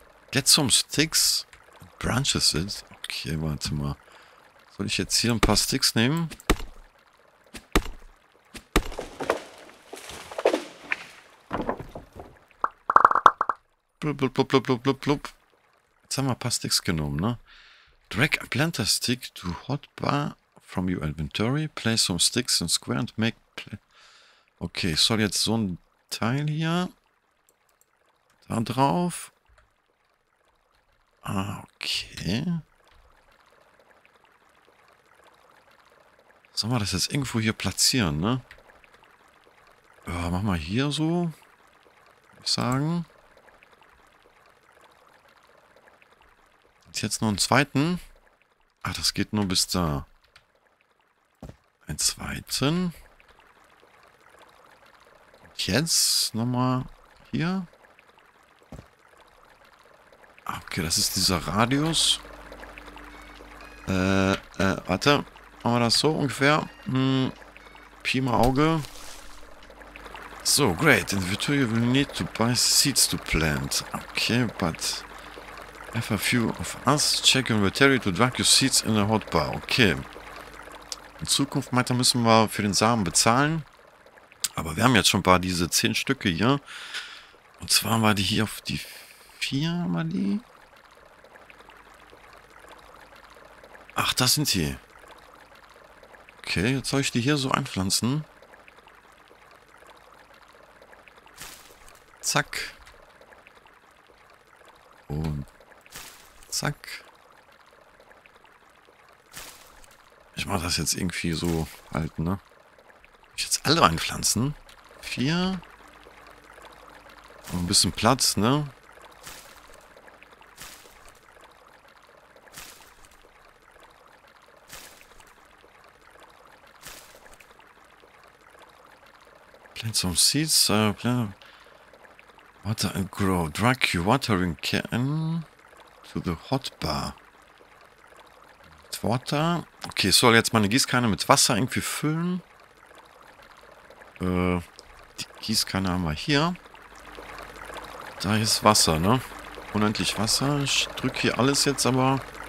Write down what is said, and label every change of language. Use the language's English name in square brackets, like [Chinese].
[English] Get some sticks. Branches it. Okay, [German] warte mal. Soll ich jetzt hier ein paar Sticks nehmen? Blub, blub, blub, blub, blub, blub. Jetzt haben wir ein paar Sticks genommen, ne? [English] Drag a planter stick to hotbar. From your inventory, place some sticks in square and make. [German] Okay, ich soll jetzt so ein Teil hier da drauf. Ah, okay. Sollen wir das jetzt irgendwo hier platzieren, ne? Ja, machen wir hier so, würde ich sagen. Jetzt noch einen zweiten. Ah, das geht nur bis da. Einen zweiten. Und jetzt nochmal hier. Okay, das ist dieser Radius. Warte. Machen wir das so ungefähr? Pi mal Auge. So, great. [English] In the future you will need to buy seeds to plant. Okay, but have a few of us check inventory to drag your seeds in the hotbar. Okay. [German] In Zukunft, meint er, müssen wir für den Samen bezahlen. Aber wir haben jetzt schon ein paar, diese 10 Stücke hier. Und zwar haben wir die hier auf die 4. 4 haben wir die. Ach, das sind sie. Okay, jetzt soll ich die hier so einpflanzen. Zack. Und zack. Ich mache das jetzt irgendwie so halt, ne? Ich jetzt alle einpflanzen. 4. Ein bisschen Platz, ne? [English] Plant some seeds. Water and grow. Drag your watering can to the hot bar. [German] Mit Water. Okay, ich soll jetzt meine Gießkanne mit Wasser irgendwie füllen. Die Gießkanne haben wir hier. Da ist Wasser, ne? Unendlich Wasser. Ich drücke hier alles jetzt, aber...